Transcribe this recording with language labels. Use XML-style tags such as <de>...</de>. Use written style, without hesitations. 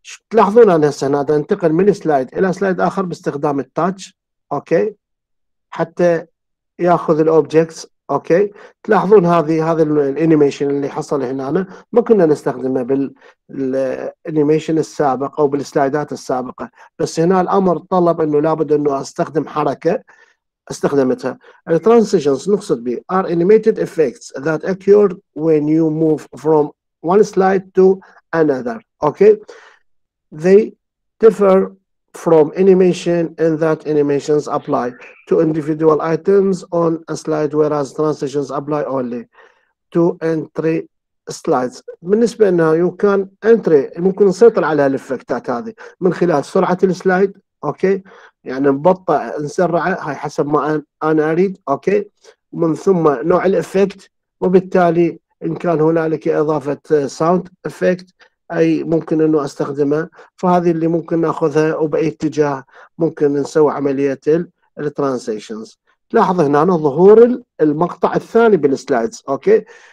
<ar>تلاحظون انا هسه هنا انتقل من سلايد الى سلايد اخر باستخدام التاتش، اوكي، حتى ياخذ الاوبجكتس. اوكي، تلاحظون هذا الانيميشن اللي حصل هنا ما كنا نستخدمه بالانيميشن السابق او بالسلايدات السابقه، بس هنا الامر طلب انه لابد انه استخدم حركه استخدمتها. الترانزيشنز نقصد به</ar> <en>are animated effects that occur when you move from one slide to another. Okay, they differ from animation in that animations apply to individual items on a slide, whereas transitions apply only to entry slides.</en> <ar>بالنسبة لنا يو كان انتري، ممكن نسيطر على الافكتات هذه من خلال سرعة السلايد. اوكي، يعني نبطئ نسرعه، هاي حسب ما انا اريد. اوكي، ومن ثم نوع الافكت، وبالتالي ان كان هنالك اضافه ساوند افكت اي ممكن انه استخدمه، فهذه اللي ممكن ناخذها، وباي اتجاه ممكن نسوي عمليه الترانزيشنز. لاحظ هنا ظهور المقطع الثاني بالسلايدز. اوكي،</ar>